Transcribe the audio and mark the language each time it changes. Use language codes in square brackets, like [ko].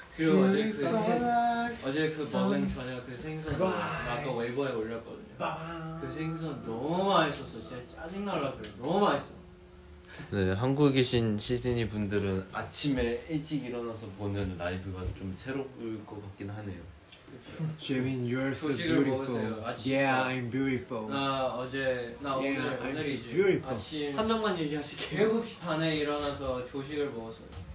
[ko] 그리고 어제 그 먹은 저녁 그 생선 아까 웨이버에 올렸거든요. 그 생선 너무 맛있었어. 진짜 짜증 날라 그래. 너무 맛있어. 네, 한국에 계신 시드니 분들은 아침에 일찍 일어나서 보는 라이브가 좀 새로울 것 같긴 하네요. [en] Jimin, you're so beautiful. Yeah, I'm beautiful. [ko] 나 오늘이지. [en] So beautiful. [ko] 아침 한 명만 얘기하실게요. 7시 반에 일어나서 조식을 먹었어요.